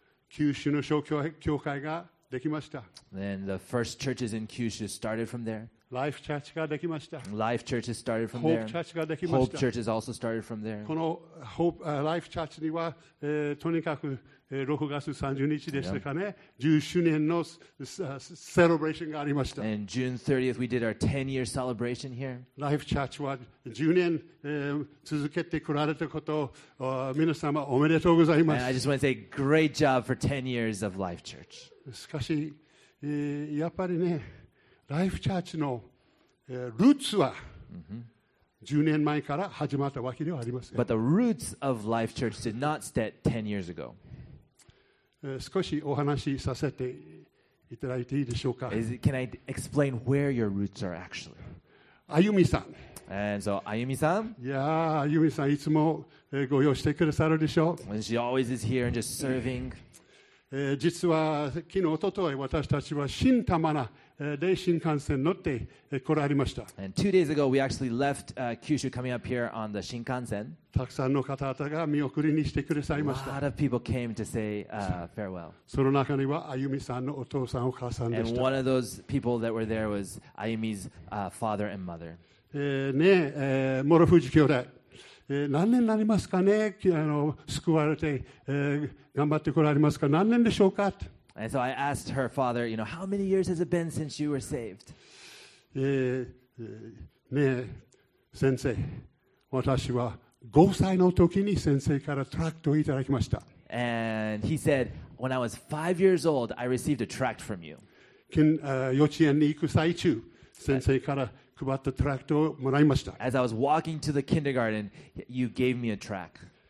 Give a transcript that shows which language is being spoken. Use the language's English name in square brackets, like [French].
[Japanese] 九州の小教会ができました。 [English] And the first churches in Kyushu started from there. [Japanese] Life Church ができました。 [English] Life Church is started from Hope [Japanese] Church ができました。 [English] Hope Church is also started from there. [Japanese] この Hope, Life Church には、とにかく、6月30日でしたかね、10周年の、セレブレーションがありました。 [English] And June 30th, we did our 10-year celebration here. [Japanese] Life Church は10年、続けてこられたことを、皆様おめでとうございます。 [English] And I just want to say, great job for 10 years of Life Church. [Japanese] しかし、やっぱりね、ライフチャーチの、ルーツは10年前から始まったわけではありません。 [English] But the roots of Life Church did not start 10 years ago. [Japanese] 少しお話しさせていただいていいでしょうか。 [English] Can I explain where your roots are actually? [Japanese] Ayumi さん。 [English] And so, Ayumi さん。 [Japanese] いやあ、Ayumi さんいつも、ご用意してくださるでしょう。 [English] And she always is here and just serving. [Japanese] 実は昨日、おととい、私たちは新玉名。で新幹線乗って来られました。 [English] And 2 days ago, we actually left Kyushu, coming up here on the Shinkansen. [Japanese] たくさんの方々が見送りにしてくださいました。 [English] A lot of people came to say farewell. [Japanese] その中にはあゆみさんのお父さんお母さんでした。 [English] And one of those people that were there was Ayumi's father and mother. [Japanese] ねえ、モロフジ兄弟、何年になりますかね、救われて、頑張って来られますか、何年でしょうか。 [English] And so I asked her father, you know, how many years has it been since you were saved? [Japanese] ねえ、先生、私は5歳の時に先生からトラクトをいただきました。 [English] And he said, when I was 5 years old, I received a tract from you. [Japanese] 幼稚園に行く最中、先生から配ったトラクトをもらいました。 [English] As I was walking to the kindergarten, you gave me a tract.